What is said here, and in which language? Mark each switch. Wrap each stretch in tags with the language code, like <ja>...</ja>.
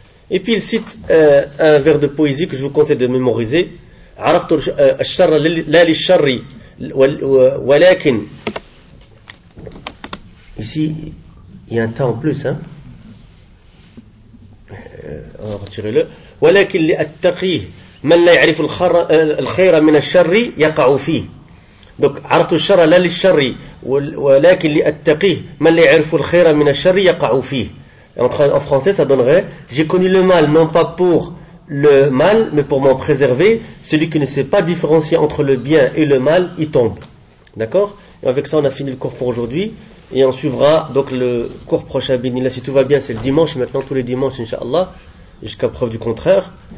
<fr>Et puis il cite un vers de poésie que je vous conseille de mémoriser, «</fr> <ar>Araftu al-sharra lal-sharri walakin</ar> <fr>» Ici, il y a un temps en plus, hein. On va retirer le.</fr> <ar>ولكن لأتقي من لا يعرف الخير من الشر يقع فيه. Donc, عرفت الشر لا للشر ولكن لأتقي من لا يعرف الخير من الشر يقع فيه.</ar> <fr>En français, ça donnerait: j'ai connu le mal, non pas pour le mal, mais pour m'en préserver. Celui qui ne sait pas différencier entre le bien et le mal, il tombe. D'accord? Et avec ça, on a fini le cours pour aujourd'hui. Et on suivra donc le cours prochain, Bidnillah, si tout va bien, c'est le dimanche maintenant, tous les dimanches, Inch'Allah, jusqu'à preuve du contraire.</fr>